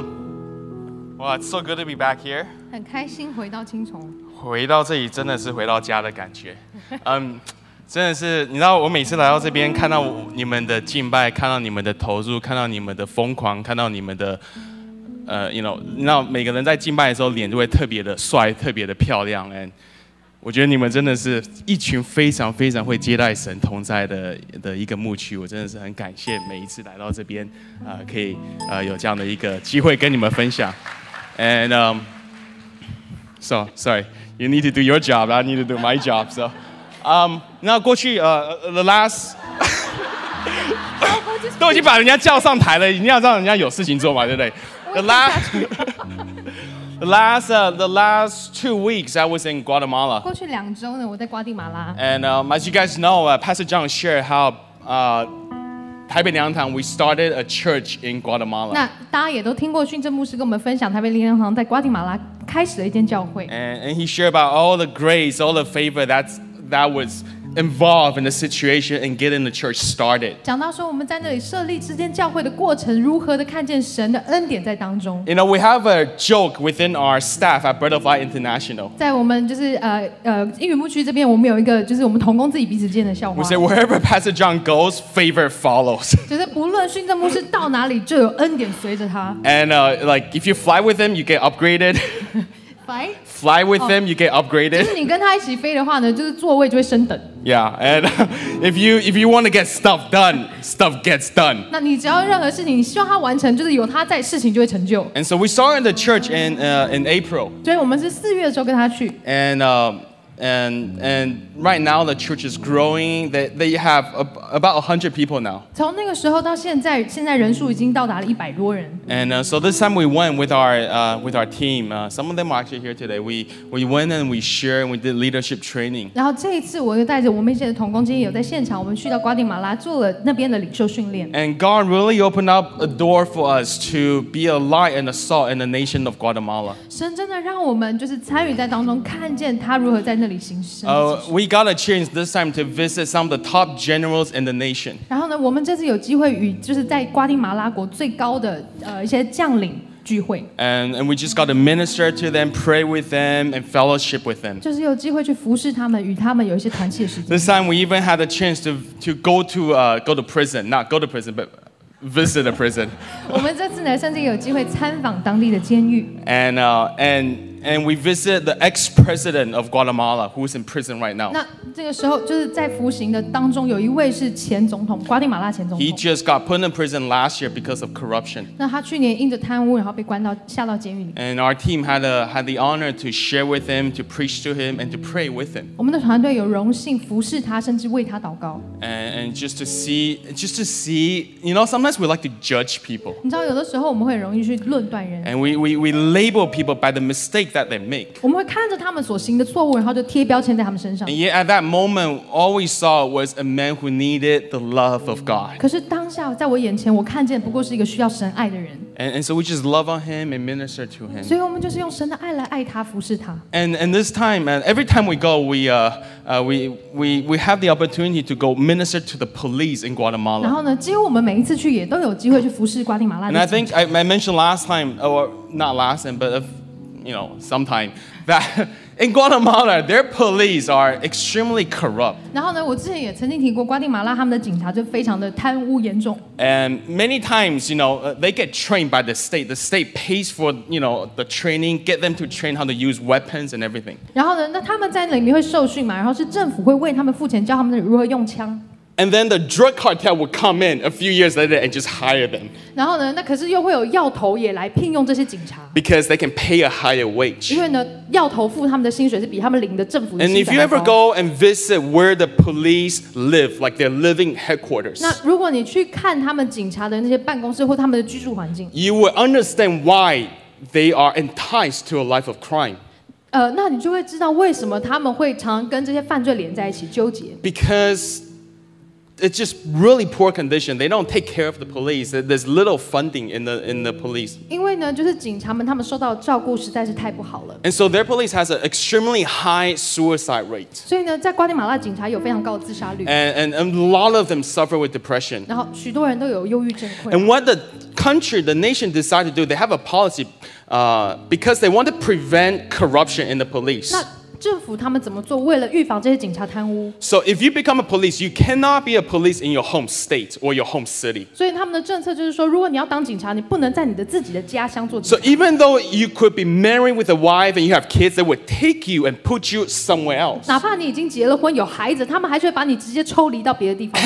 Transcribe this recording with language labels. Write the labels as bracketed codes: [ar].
[en] Well, it's so good to be back here. [zh] 很开心回到青松。回到这里真的是回到家的感觉。真的是，你知道我每次来到这边，看到你们的敬拜，看到你们的投入，看到你们的疯狂，看到你们的，你知道每个人在敬拜的时候，脸就会特别的帅，特别的漂亮。 And我觉得你们真的是一群非常非常会接待神同在 的一个牧区，我真的是很感谢每一次来到这边，可以有这样的一个机会跟你们分享。 [en] And so sorry, you need to do your job, I need to do my job. So, [zh] 那过去 [en] the last [zh] 都已经把人家叫上台了，一定要让人家有事情做嘛，对不对 ？ [en] The last The last 2 weeks, I was in Guatemala. [zh] 过去两周呢，我在瓜地马拉。 [en] And as you guys know, Pastor John shared how 台北灵堂 we started a church in Guatemala. [zh] 那大家也都听过训政牧师跟我们分享台北灵堂在瓜地马拉开始了一间教会。 [en] And he shared about all the grace, all the favor that was involved in the situation and getting the church started. [zh] 讲到说我们在那里设立这间教会的过程，如何的看见神的恩典在当中。 [en] You know, we have a joke within our staff at Bread of Life International. [zh] 在我们就是英语牧区这边，我们有一个就是我们同工自己彼此间的笑话。 [en] We say wherever Pastor John goes, favor follows. [zh] 就是不论训政牧师到哪里，就有恩典随着他。 [en] And like if you fly with him, you get upgraded. Fly with them, you get upgraded. [zh] 就是你跟他一起飞的话呢，就是座位就会升等。 [en] Yeah, and if you want to get stuff done, stuff gets done. [zh] 那你只要任何事情，你希望他完成，就是有他在，事情就会成就。 [en] And so we started the church in April. [zh] 所以我们是四月的时候跟他去。 [en] And right now the church is growing. They have about 100 people now. [zh] 从那个时候到现在，现在人数已经到达了100多人。 [en] And so this time we went with our team. Some of them are actually here today. We went and we shared and we did leadership training. [zh] 然后这一次我又带着我们一些的同工，今天有在现场，我们去到瓜地马拉做了那边的领袖训练。 [en] And God really opened up a door for us to be a light and a salt in the nation of Guatemala. [zh] 神真的让我们就是参与在当中，看见他如何在。 [en] We got a chance this time to visit some of the top generals in the nation. [zh] 然后呢，我们这次有机会与就是在瓜地马拉国最高的一些将领聚会。 [en] And we just got to minister to them, pray with them, and fellowship with them. [zh] 就是有机会去服侍他们，与他们有一些团契的时间。 [en] This time we even had a chance to go to prison, not go to prison, but visit a prison. [zh] 我们这次呢，甚至有机会参访当地的监狱。 [en] And we visit the ex-president of Guatemala, who is in prison right now. [zh] 那这个时候就是在服刑的当中，有一位是前总统，瓜地马拉前总统。 [en] He just got put in prison last year because of corruption. [zh] 那他去年因着贪污，然后被关到下到监狱里。 [en] And our team had the honor to share with him, to preach to him, and to pray with him. [zh] 我们的团队有荣幸服侍他，甚至为他祷告。 [en] And just to see, you know, sometimes we like to judge people. [zh] 你知道有的时候我们会很容易去论断人。 [en] And we label people by the mistake that they make. [zh] 我们会看着他们所行的错误，然后就贴标签在他们身上。 [en] And yet at that moment, all we saw was a man who needed the love of God. [zh] 可是当下在我眼前，我看见不过是一个需要神爱的人。 [en] And so we just love on him and minister to him. [zh] 所以我们就是用神的爱来爱他，服侍他。 [en] And this time, and every time we go, we have the opportunity to go minister to the police in Guatemala. [zh] 然后呢，几乎我们每一次去也都有机会去服侍瓜地马拉。 [en] And I think I mentioned last time, or not last time, but you know, sometime that in Guatemala, their police are extremely corrupt. [zh] 然后呢，我之前也曾经提过，瓜地马拉他们的警察就非常的贪污严重。 [en] And many times, you know, they get trained by the state. The state pays for, you know, the training, get them to train how to use weapons and everything. [zh] 然后呢，那他们在里面会受训嘛？然后是政府会为他们付钱，教他们如何用枪。 [en] And then the drug cartel would come in a few years later and just hire them. [zh] 然后呢，那可是又会有药头也来聘用这些警察。 [en] Because they can pay a higher wage. [zh] 因为呢，药头付他们的薪水是比他们领的政府的薪水还高。 [en] And if you ever go and visit where the police live, like their living headquarters. [zh] 那如果你去看他们警察的那些办公室或他们的居住环境。 [en] You will understand why they are enticed to a life of crime. [zh] 那你就会知道为什么他们会常跟这些犯罪连在一起纠结。 [en] Because it's just really poor condition. They don't take care of the police. There's little funding in the police. [zh] 因为呢，就是警察们他们受到照顾实在是太不好了。 [en] And so their police has an extremely high suicide rate. [zh] 所以呢，在瓜地马拉警察有非常高的自杀率。 [en] And a lot of them suffer with depression. [zh] 然后许多人都有忧郁症 [en] 困。And what the country, the nation decided to do, they have a policy. Because they want to prevent corruption in the police. [zh] 那政府他们怎么做？为了预防这些警察贪污。 [en] So if you become a police, you cannot be a police in your home state or your home city. [zh] 所以他们的政策就是说，如果你要当警察，你不能在你的自己的家乡做警察。 [en] So even though you could be married with a wife and you have kids, they would take you and put you somewhere else. [zh] 哪怕你已经结了婚有孩子，他们还是会把你直接抽离到别的地方。